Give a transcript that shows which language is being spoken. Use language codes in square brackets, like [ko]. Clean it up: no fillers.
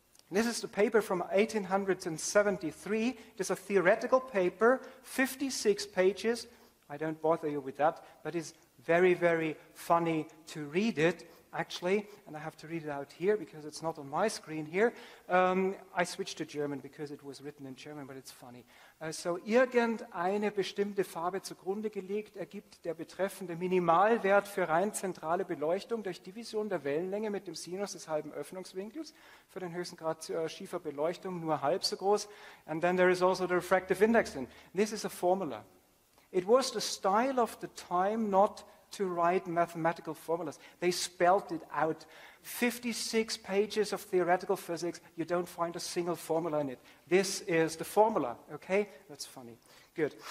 [en] This is the paper from 1873. It is a theoretical paper, 56 pages. I don't bother you with that, but it's very, very funny to read it, actually. And I have to read it out here because it's not on my screen here. I switched to German because it was written in German, but it's funny. [de] So, irgendeine bestimmte Farbe zugrunde gelegt ergibt der betreffende Minimalwert für rein zentrale Beleuchtung durch Division der Wellenlänge mit dem Sinus des halben Öffnungswinkels für den höchsten Grad schiefer Beleuchtung nur halb so groß. [en] And then there is also the refractive index in. This is a formula. It was the style of the time not to write mathematical formulas. They spelled it out. 56 pages of theoretical physics, you don't find a single formula in it. This is the formula, okay? That's funny. Good.